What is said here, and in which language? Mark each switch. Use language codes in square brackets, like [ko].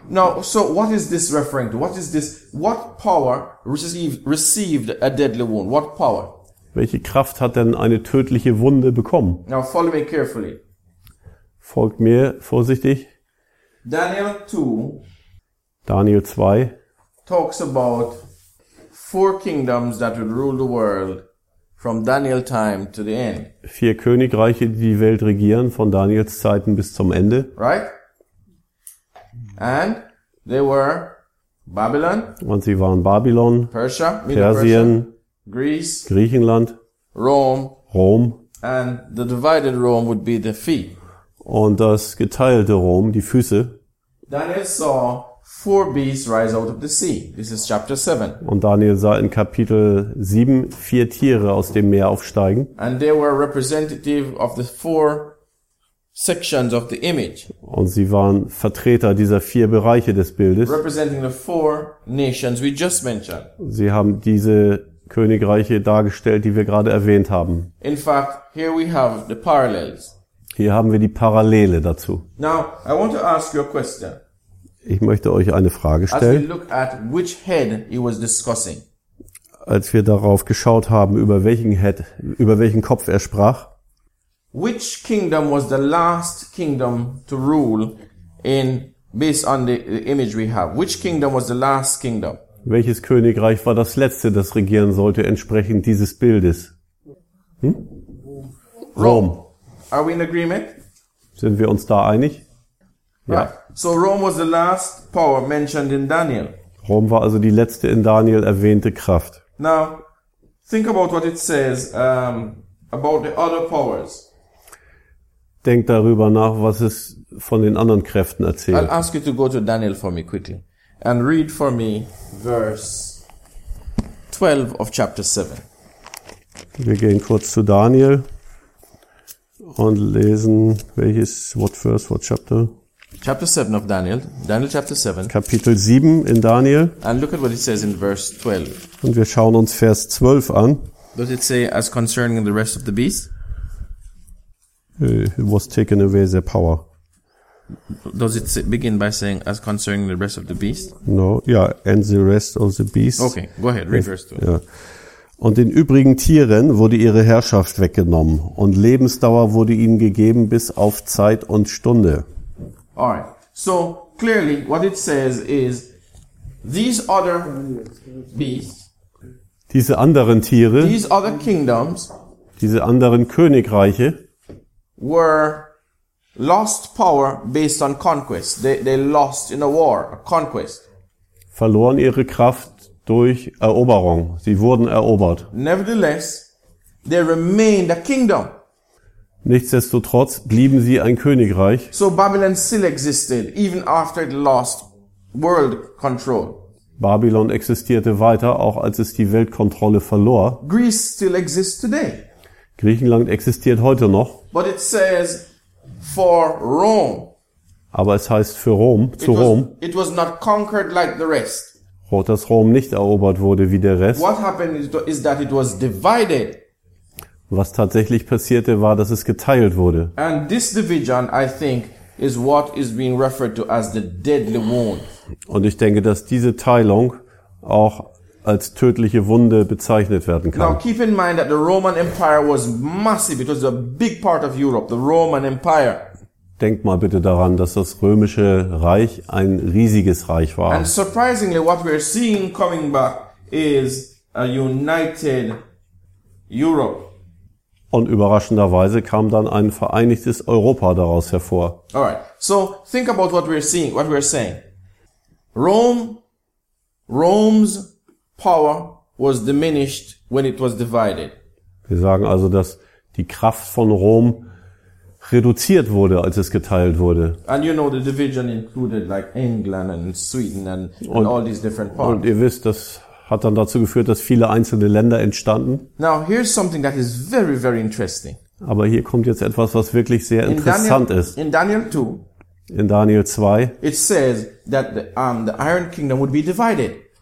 [en] Now, so what is this referring to? What is this? What power received a deadly wound? What power? [de] Welche Kraft hat denn eine tödliche Wunde bekommen? [en] Now follow me carefully. [de] Folgt mir vorsichtig. [en] Daniel 2 talks about four kingdoms that would rule the world from Daniel time to the end. [de] Vier Königreiche, die die Welt regieren von Daniels Zeiten bis zum Ende. [en] Right? And they were Babylon. [de] Und sie waren Babylon, [en] Persia, [de] Persien, [en] Greece, [de] Griechenland, Rom, [en] and the divided Rome would be the feet. [de] Und das geteilte Rom, die Füße. [en] Daniel saw four beasts rise out of the sea. This is chapter 7. [de] Und Daniel sah in Kapitel 7 vier Tiere aus dem Meer aufsteigen. [en] And they were representative of the four sections of the image. [de] Und sie waren Vertreter dieser vier Bereiche des Bildes. [en] Representing the four nations we just mentioned. [de] Sie haben diese Königreiche dargestellt, die wir gerade erwähnt haben. [en] In fact, here we have the parallels. [de] Hier haben wir die Parallele dazu. [en] Now, I want to ask you a question. [de] Ich möchte euch eine Frage stellen. [en] As we look at which head he was discussing. [de] Als wir darauf geschaut haben, über welchen Kopf er sprach. [en] Which kingdom was the last kingdom to rule in based on the image we have? Which kingdom was the last kingdom? [de] Welches Königreich war das letzte, das regieren sollte entsprechend dieses Bildes? [en] Rome. Are we in agreement? [de] Sind wir uns da einig? Ja. Right. [en] So Rome was the last power mentioned in Daniel. [de] Rom war also die letzte in Daniel erwähnte Kraft. [en] Now, think about what it says about the other powers. [de] Denk darüber nach, was es von den anderen Kräften erzählt. [en] I'll ask you to go to Daniel for me quickly and read for me verse 12 of chapter 7. [de] Wir gehen kurz zu Daniel und lesen welches, what verse, what chapter? [en] Chapter 7 of Daniel. Daniel chapter 7. [de] Kapitel 7 in Daniel. [en] And look at what it says in verse 12. [de] Und wir schauen uns Vers 12 an. [en] Does it say as concerning the rest of the beast? It was taken away their power. Does it begin by saying as concerning the rest of the beast? No, yeah, and the rest of the beast. Okay, go ahead, read verse 12. [de] Ja. Und den übrigen Tieren wurde ihre Herrschaft weggenommen und Lebensdauer wurde ihnen gegeben bis auf Zeit und Stunde. [en] All right. So clearly what it says is these other beasts, [de] diese anderen Tiere, [en] these other kingdoms, [de] diese anderen Königreiche [en] were lost power based on conquest. They lost in a war, a conquest. [de] Verloren ihre Kraft durch Eroberung. Sie wurden erobert. [en] Nevertheless, they remained a kingdom. [de] Nichtsdestotrotz blieben sie ein Königreich. [en] So Babylon still existed, even after it lost world control. [de] Babylon existierte weiter, auch als es die Weltkontrolle verlor. [en] Greece still exists today. [de] Griechenland existiert heute noch. [en] But it says for Rome. [de] Aber es heißt für Rom, zu Rom. [en] It was not conquered like the rest. [de] Dass Rom nicht erobert wurde wie der Rest. [en] What happened is that it was divided. [de] Was tatsächlich passierte, war, dass es geteilt wurde. [en] And this division, I think, is what is being referred to as the deadly wound. [de] Und ich denke, dass diese Teilung auch als tödliche Wunde bezeichnet werden kann. [en] Now keep in mind that the Roman Empire was massive. It was a big part of Europe, the Roman Empire. [de] Denk mal bitte daran, dass das Römische Reich ein riesiges Reich war. [en] And surprisingly, what we're seeing coming back is a united Europe. [de] Und überraschenderweise kam dann ein vereinigtes Europa daraus hervor. [en] Alright, so think about what we're seeing, what we're saying. Rome's power was diminished when it was divided. [de] Wir sagen also, dass die Kraft von Rom reduziert wurde, als es geteilt wurde. [en] And you know, the division included like England and Sweden and all these different parts. [de] Und ihr wisst, dass hat dann dazu geführt, dass viele einzelne Länder entstanden. [en] Now, here's something that is very, very interesting. [de] Aber hier kommt jetzt etwas, was wirklich sehr interessant ist. [en] In Daniel 2 it says that the Iron Kingdom would be divided.